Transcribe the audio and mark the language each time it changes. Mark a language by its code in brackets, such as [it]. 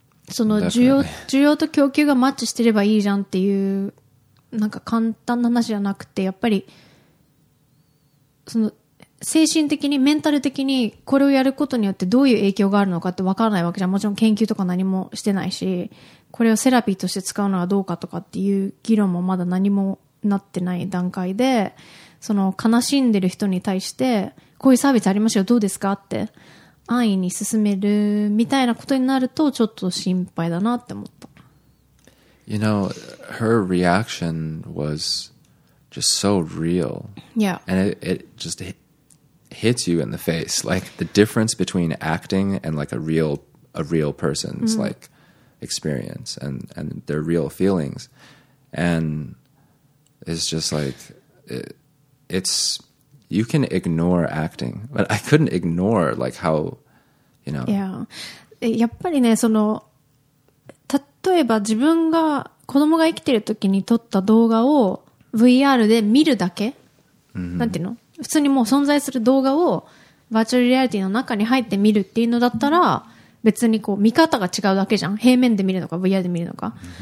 [ja] その需要、需要と供給がマッチしてればいいじゃんっていう、なんか簡単な話じゃなくて、やっぱり、その、精神的に、メンタル的に、これをやることによってどういう影響があるのかって分からないわけじゃん。もちろん研究とか何もしてないし、これをセラピーとして使うのはどうかとかっていう議論もまだ何もなってない段階で、その悲しんでる人に対して、こういうサービスありますよ、どうですかって、安易に進めるみたいなことになると、ちょっと心配だなって思った。 [en] You know, her reaction was just so real. Yeah. And it just hits you in the face. Like, the difference between acting and like a real person's、mm. like experience and their real feelings. And it's just like, it's, you can ignore acting, but I couldn't ignore like how, you know. Yeah. [ja] やっぱりね、その、例えば自分が子供が生きてる時に撮った動画を VR で見るだけ、 mm-hmm. なんていうの、普通にもう存在する動画をバーチャルリアリティの中に入って見るっていうのだったら、別にこう見方が違うだけじゃん、平面で見るのか VR で見るのか、